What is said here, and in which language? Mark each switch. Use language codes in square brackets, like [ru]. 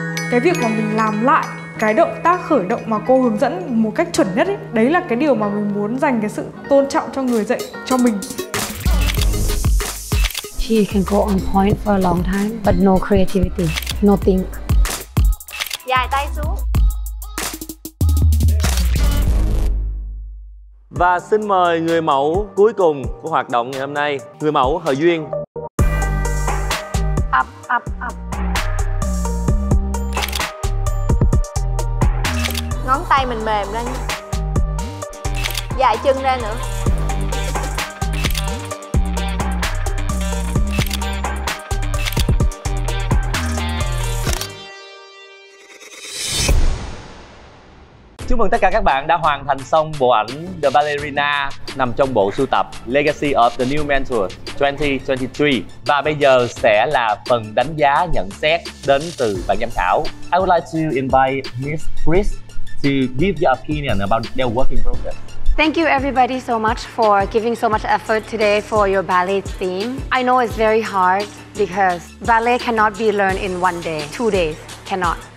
[vi] Cái việc mà mình làm lại cái động tác khởi động mà cô hướng dẫn một cách chuẩn nhất ấy, đấy là cái điều mà mình muốn dành cái sự tôn trọng cho người dạy cho mình. [en] She can go on point for a long time, but no creativity, no think. [vi] Dài tay xuống. Và xin mời người mẫu cuối cùng của hoạt động ngày hôm nay, người mẫu Hờ Duyên. [en] Up, up, up. [vi] Ngón tay mình mềm lên. Dài chân ra nữa. Chúc mừng tất cả các bạn đã hoàn thành xong bộ ảnh The Ballerina nằm trong bộ sưu tập Legacy of the New Mentor 2023. Và bây giờ sẽ là phần đánh giá nhận xét đến từ ban giám khảo. [en] I would like to invite Miss Chris to give your opinion about their working process. Thank you everybody so much for giving so much effort today for your ballet theme. I know it's very hard because ballet cannot be learned in one day, 2 days, cannot.